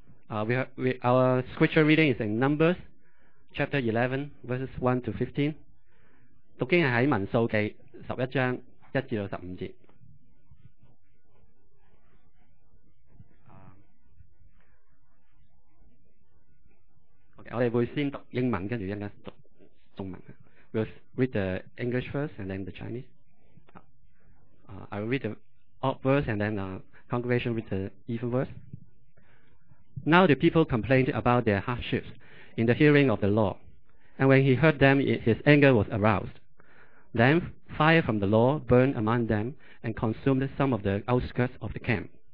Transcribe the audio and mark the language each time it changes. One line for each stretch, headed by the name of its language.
English: Our scripture reading is in Numbers chapter 11, verses 1 to 15.
Chinese: 读经是在民数记11章1至15节。我们会先读英文，跟着一会读中文。
English: We'll read the English first and then the Chinese. I will read the odd verse and then the congregation read the even verse. Now the people complained about their hardships in the hearing of the Lord. And when he heard them, his anger was aroused. Then fire from the Lord burned among them and consumed some of the outskirts of the camp.